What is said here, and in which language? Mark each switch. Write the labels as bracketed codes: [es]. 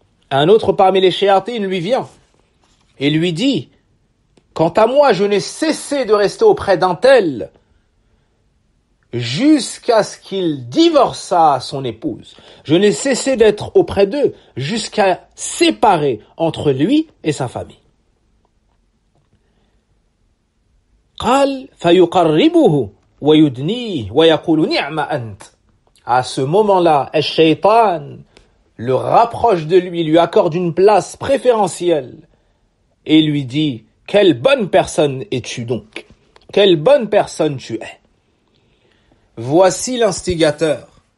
[fr] Un autre parmi les shayatines lui vient et lui dit, quant à moi, je n'ai cessé de rester auprès d'un tel jusqu'à ce qu'il divorça son épouse. Je n'ai cessé d'être auprès d'eux jusqu'à séparer entre lui et sa famille. [ar] قَالْ فَيُقَرِّبُهُ ويدني ويقول نعم انت. [fr] À ce moment-là, Shaytan le rapproche de lui accorde une place préférentielle et lui dit, quelle bonne personne es-tu donc? Quelle bonne personne tu es? Voici l'instigateur.